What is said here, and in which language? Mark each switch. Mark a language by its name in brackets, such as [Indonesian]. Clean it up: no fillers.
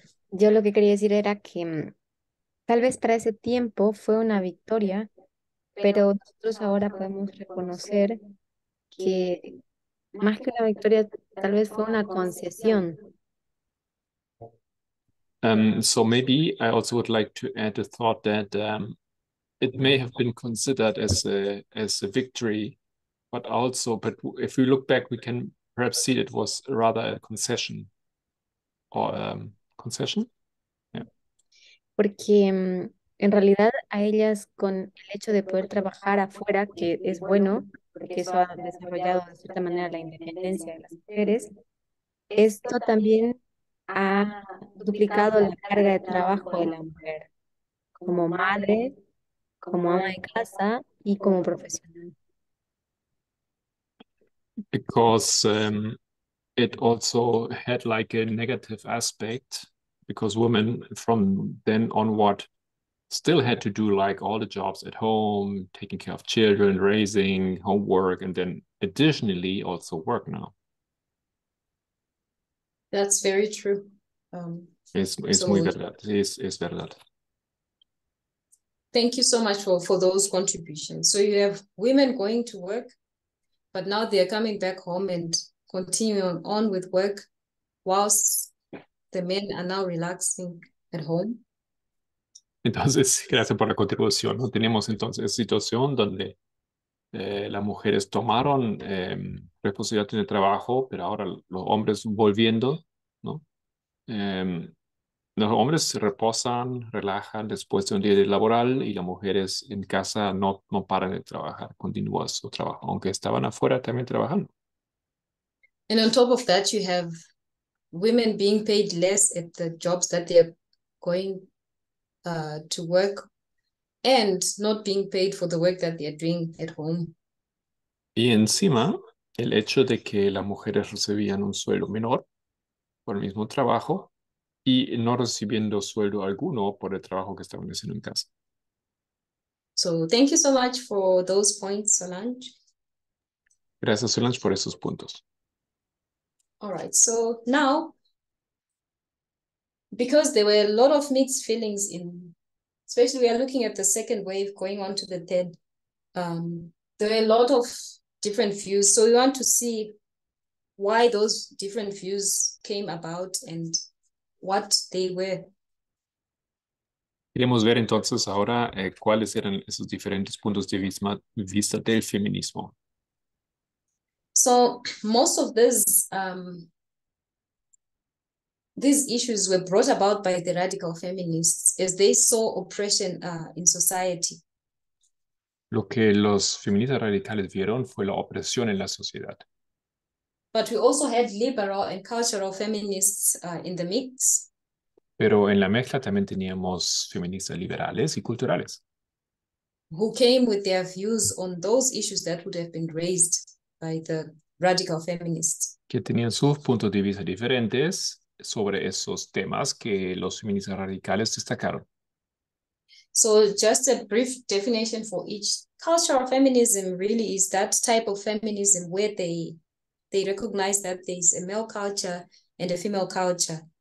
[Spanish] Yo lo que quería decir era que tal vez para ese tiempo fue una victoria, pero nosotros ahora podemos reconocer que más que una victoria, tal vez fue una concesión. [English] So maybe I also would like to add the thought that it may have been considered as a victory, but also, but if we look back, we can perhaps see it was rather a concession. Or concession? Yeah. [Spanish] Porque en realidad a ellas con el hecho de poder trabajar afuera, que es bueno, porque eso ha desarrollado de cierta manera la independencia de las mujeres, esto también ha duplicado la carga de trabajo de la mujer como madre, como ama de casa y como profesional. [English] Because it also had like a negative aspect, because women from then onward still had to do like all the jobs at home, taking care of children, raising, homework, and then additionally also work now. That's very true. [Spanish] Es verdad. [English] Thank you so much for those contributions. So you have women going to work, but now they are coming back home and continuing on with work whilst the men are now relaxing at home. [Spanish] Entonces, gracias por la contribución, ¿no? Tenemos entonces esa situación donde las mujeres tomaron responsabilidad en el trabajo, pero ahora los hombres volviendo, ¿no? Los hombres se reposan, relajan después de un día de laboral y las mujeres en casa no paran de trabajar, continúan su trabajo, aunque estaban afuera también trabajando. [English] And on top of that, you have women being paid less at the jobs that they're going to work and not being paid for the work that they're doing at home. [Spanish] Y encima, el hecho de que las mujeres recibían un sueldo menor por el mismo trabajo y no recibiendo sueldo alguno por el trabajo que estaban haciendo en casa. [English] So, thank you so much for those points, Solange. [Spanish] Gracias, Solange, por esos puntos. [English] All right, so now, because there were a lot of mixed feelings in, especially we are looking at the second wave going on to the third, there were a lot of different views. So we want to see why those different views came about and what they were. [Spanish] Queremos ver entonces ahora cuáles eran esos diferentes puntos de vista del feminismo. [English] So most of these issues were brought about by the radical feminists as they saw oppression in society. [Spanish] Lo que los feministas radicales vieron fue la opresión en la sociedad. [English] But we also had liberal and cultural feminists in the mix. [Spanish] Pero en la mezcla también teníamos feministas liberales y culturales. [English] Who came with their views on those issues that would have been raised by the radical feminists. [Spanish] Que tenían sus puntos de vista diferentes sobre esos temas que los feministas radicales destacaron. [English] So just a brief definition for each. Cultural feminism really is that type of feminism where they recognize that there's a male culture and a female culture.